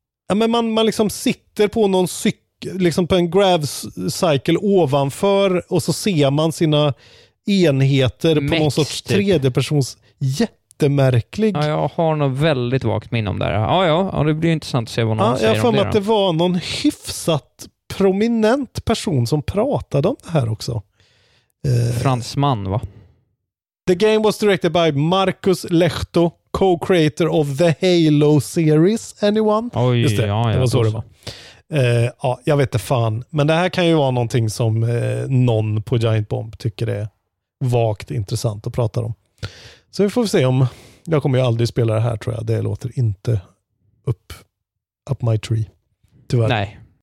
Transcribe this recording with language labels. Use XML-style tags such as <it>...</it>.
<sv>Ja, men man liksom sitter på någon cykel, liksom på en grav cycle ovanför, och så ser man sina enheter på någon sorts tredjepersons jättemärklig. Ja, jag har nog väldigt vagt minne om det här. Ja, det blir intressant att se vad någon säger. Jag får med att det var någon hyfsat prominent person som pratade om det här också. Fransman, va?</sv> <en>The game was directed by Marcus Lehto, co-creator of the Halo series, anyone?</en> <sv>Oj, just det, ja, det var så det var. Ja, jag vet inte fan. Men det här kan ju vara någonting som någon på Giant Bomb tycker är vagt intressant att prata om. Så vi får se om... Jag kommer ju aldrig spela det här, tror jag. Det låter inte</sv> <en>up my tree,</en> <sv>tyvärr. Nej.</sv>